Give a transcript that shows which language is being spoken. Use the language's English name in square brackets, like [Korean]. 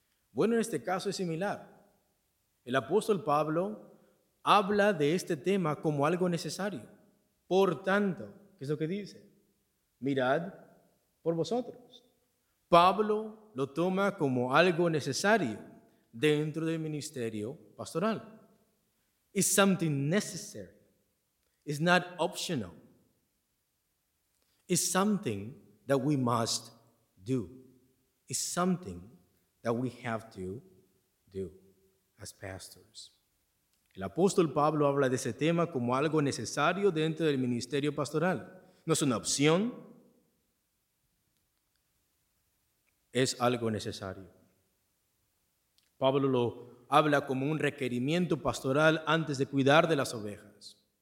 [Spanish] Bueno, en este caso es similar. El apóstol Pablo habla de este tema como algo necesario. Por tanto, ¿qué es lo que dice? Mirad por vosotros. Pablo lo toma como algo necesario dentro del ministerio pastoral. [English] It's something necessary. It's not optional. It's something that we must do. It's something that we have to do as pastors. [Spanish] El apóstol Pablo habla de ese tema como algo necesario dentro del ministerio pastoral. No es una opción. Es algo necesario. Pablo lo habla como un requerimiento pastoral antes de cuidar de las ovejas.